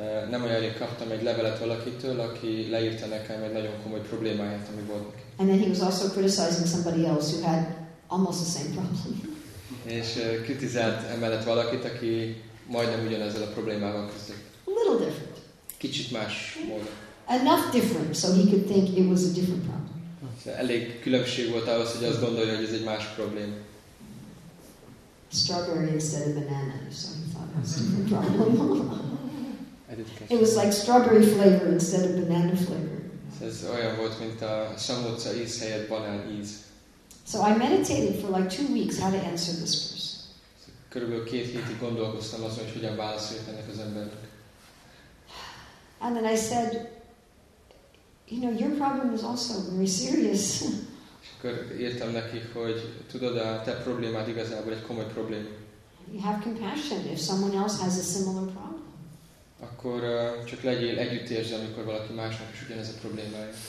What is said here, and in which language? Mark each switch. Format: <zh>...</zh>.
<hu>Nem olyan rég kaptam egy levelet valakitől, aki leírta nekem egy nagyon komoly problémáját, ami volt neki.</hu> <en>And then he was also criticizing somebody else who had almost the same problem.</en> <hu>És kritizált emellett valakit, aki majdnem ugyanezzel a problémával küzdött.</hu> <en>A little different.</en> <hu>Kicsit más módon.</hu> <en>Enough different, so he could think it was a different problem.</en> <hu>Elég különbség volt ahhoz, hogy azt gondolja, hogy ez egy más probléma.</hu> <en>Strawberry instead of banana, so he thought it was a different problem. It was like strawberry flavor instead of banana flavor.</en> <hu>Ez olyan volt, mint a samócza íz helyett banán íz.</hu> <en>So I meditated for like 2 weeks how to answer this person.</en> <hu>Körülbelül 2 hétig gondolkoztam azon, hogy hogyan válaszoljak ennek az embernek.</hu> <en>And then I said, you know, your problem is also very serious.</en> <hu>És akkor írtam neki, hogy tudod, a te problémád igazából egy komoly probléma.</hu> <en>You have compassion if someone else has a similar problem.</en> <hu>Akkor csak legyél együttérző, amikor valaki másnak is ugyanez a problémája.</hu>